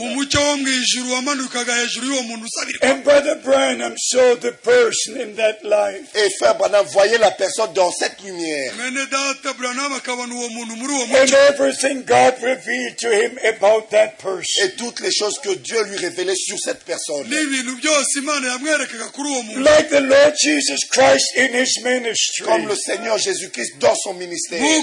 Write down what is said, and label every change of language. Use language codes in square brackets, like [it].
[en] And Brother Branham saw the person in that light. [fr] Et Frère Branham voyait la personne dans cette lumière. [en] And everything God revealed to him about that person. [fr] Et toutes les choses que Dieu lui révélait sur cette personne. [en] Like the Lord Jesus Christ in his ministry. [fr] Comme le Seigneur Jésus-Christ dans son ministère.